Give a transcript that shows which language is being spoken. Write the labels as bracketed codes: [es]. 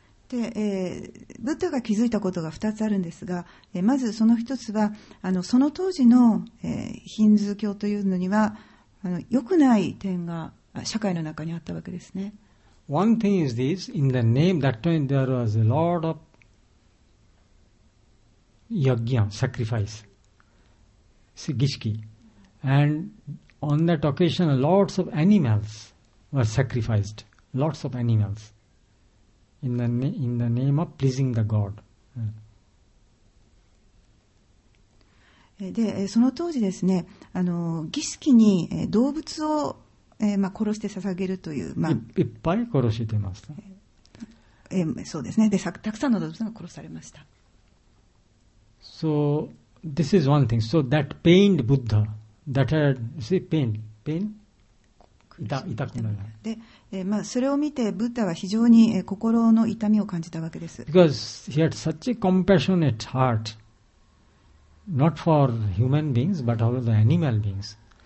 [ja] で、ブッダが気づいたことが2つあるんですが、まずその一つはその当時の、ヒンズー教というのには良くない点が社会の中にあったわけですね。 [en] One thing is this, in the name, that time there was a lot of yajna, sacrifice, 儀式. And on that occasion, lots of animals were sacrificed. Lots of animals. In the name of pleasing the God. [ja] でその当時ですね、儀式に動物を、まあ、殺して捧げるという、まあ、いっぱい殺してました。そうですね。でたくさんの動物が殺されました。 [en] So this is one thing. So that pained Buddha. That had, see, pain? [ja] 痛くなる。で、まあ、それを見てブッダは非常に心の痛みを感じたわけです。 [en] Because he had such a compassionate heartNot for human beings, but for the animal beings.